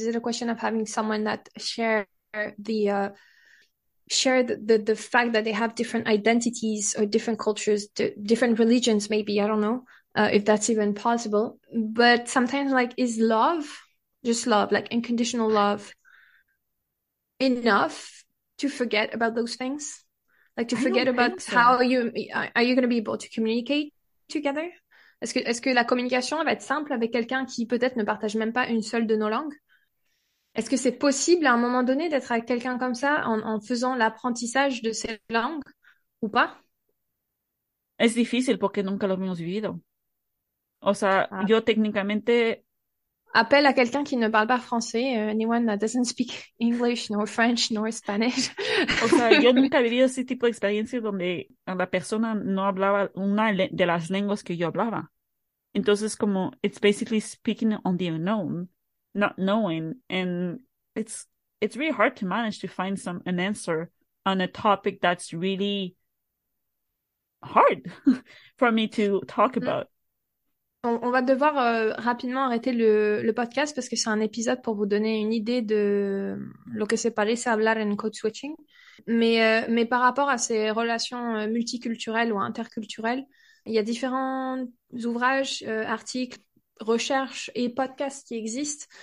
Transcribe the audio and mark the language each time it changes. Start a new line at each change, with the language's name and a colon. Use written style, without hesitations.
English: Is it a question of having someone that share the fact that they have different identities or different cultures, different religions, maybe, I don't know if that's even possible. But sometimes, like, is love, just love, like unconditional love, enough to forget about those things? Like to forget about how you are you going to be able to communicate together?
French: Est-ce que la communication va être simple avec quelqu'un qui peut-être ne partage même pas une seule de nos langues? Est-ce que c'est possible à un moment donné d'être avec quelqu'un comme ça en faisant l'apprentissage de ces langues ou pas?
Spanish: Es difícil porque nunca lo hemos vivido. O sea, yo técnicamente
French: appel à quelqu'un qui ne parle pas français,
English: anyone that doesn't speak English, nor French, nor Spanish.
Spanish: O sea, yo nunca he vivido ese tipo de experiencia donde la persona no hablaba una de las lenguas que yo hablaba. Entonces, como,
English: it's basically speaking on the unknown, not knowing, and it's really hard to manage to find an answer on a topic that's really hard for me to talk about.
French: On va devoir rapidement arrêter le podcast parce que c'est un épisode pour vous donner une idée de
Spanish: lo que se parece hablar en
French: code switching. Mais par rapport à ces relations multiculturelles ou interculturelles, il y a différents ouvrages, articles, recherches et podcasts qui existent.